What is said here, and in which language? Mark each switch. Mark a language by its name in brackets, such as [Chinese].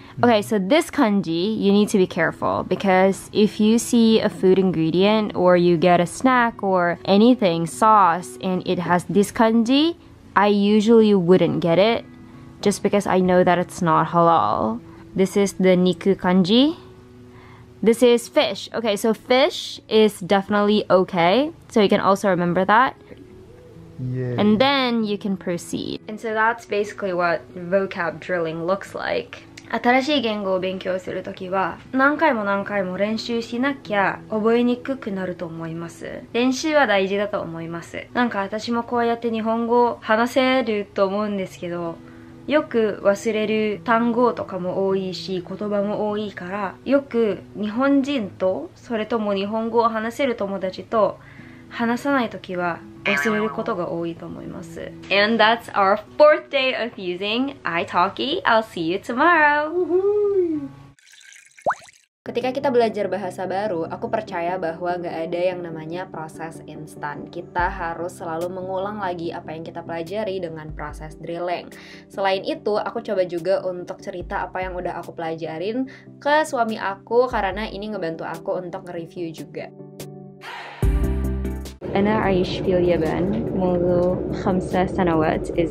[English] Okay, so this kanji, you need to be careful because if you see a food ingredient or you get a snack or anything, sauce, and it has this kanji, I usually wouldn't get it just because I know that it's not halal. This is the niku kanji. This is fish. Okay, so fish is definitely okay. So you can also remember that. Yeah. And then you can proceed. And so that's basically what vocab drilling looks like. [Japanese] 新しい言語を勉強するときは何回も何回も練習しなきゃ覚えにくくなると思います。練習は大事だと思います。なんか私もこうやって日本語を話せると思うんですけど、よく忘れる単語とかも多いし言葉も多いから、よく日本人とそれとも日本語を話せる友達と話さないときは忘れることが多いと思います。 [English] And that's our fourth day of using iTalki. I'll see you tomorrow. [Indonesian] Ketika kita belajar bahasa baru, aku percaya bahwa gak ada yang namanya proses instan. Kita harus selalu mengulang lagi apa yang kita pelajari dengan proses drilling. Selain itu, aku coba juga untuk cerita apa yang udah aku pelajarin ke suami aku karena ini ngebantu aku untuk nge-review juga. [Arabic] أنا أعيش في اليابان منذ 5 سنوات.